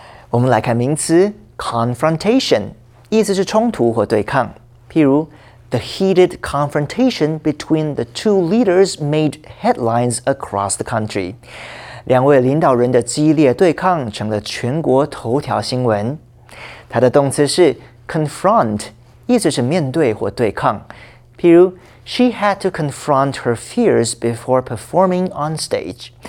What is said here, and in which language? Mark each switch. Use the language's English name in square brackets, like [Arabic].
[Chinese] 我们来看名词, [English] confrontation, [Chinese] 意思是冲突或对抗。 [English] 譬如, the heated confrontation between the two leaders made headlines across the country. [Chinese] 两位领导人的激烈对抗成了全国头条新闻。它的动词是 [English] confront, [Chinese] 意思是面对或对抗。 [English] 譬如, she had to confront her fears before performing on stage.